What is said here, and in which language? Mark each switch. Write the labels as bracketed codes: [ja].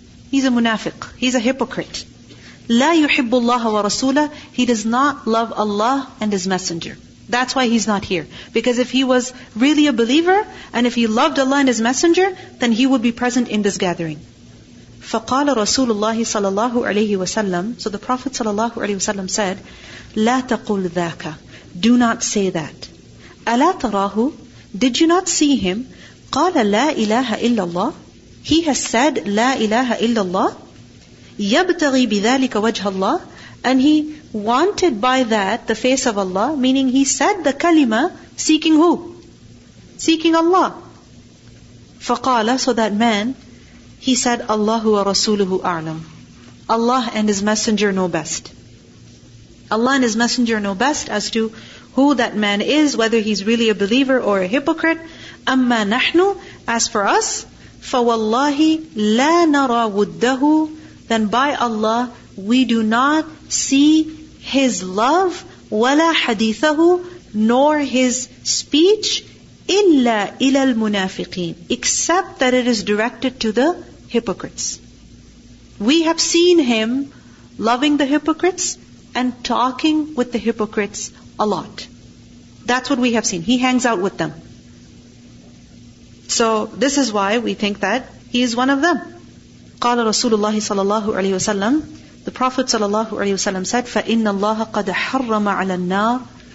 [en] He's a munafiq. He's a hypocrite. [ar] لَا يُحِبُّ اللَّهَ وَرَسُولَهُ. [en] He does not love Allah and His Messenger. That's why he's not here. Because if he was really a believer, and if he loved Allah and His Messenger, then he would be present in this gathering. [ar] فَقَالَ رَسُولُ اللَّهِ صَلَى اللَّهُ عَلَيْهِ وَسَلَّمُ. [en] So the Prophet صلى الله عليه وسلم said, [ar] لَا تَقُلْ ذَاكَ. [en] Do not say that. [ar] أَلَا تَرَاهُ. [en] Did you not see him? [ar] قَالَ لَا إِلَهَ إِلَّا اللَّهُ. [en] He has said, [ar] لَا إِلَهَ إِلَّا اللَّهُ. يَبْتَغِي بِذَلِكَ وَجْهَ اللَّهُ. [en] And he wanted by that the face of Allah, meaning he said the kalima seeking who? Seeking Allah. [ar] فَقَالَ. [en] So that man, he said, [ar] اللَّهُ وَرَسُولُهُ أَعْلَمْ. [en] Allah and His Messenger know best. Allah and His Messenger know best as to who that man is, whether he's really a believer or a hypocrite. [ar] أَمَّا نَحْنُ. [en] As for us, [ar] فَوَاللَّهِ لَا نَرَى وُدَّهُ. [en] Then by Allah, we do not see His love, [ar] وَلَا حَدِيثَهُ, [en] nor His speech, [ar] إِلَّا إِلَى الْمُنَافِقِينَ, [en] except that it is directed to the hypocrites. We have seen Him loving the hypocrites and talking with the hypocrites a lot. That's what we have seen. He hangs out with them. So this is why we think that He is one of them. [ar] قَالَ رَسُولُ اللَّهِ صَلَى اللَّهُ عَلَيْهِ وَسَلَّمُ. [en] The Prophet ﷺ said, [ar] فَإِنَّ اللَّهَ قَدْ حَرَّمَ عَلَى النَّارِ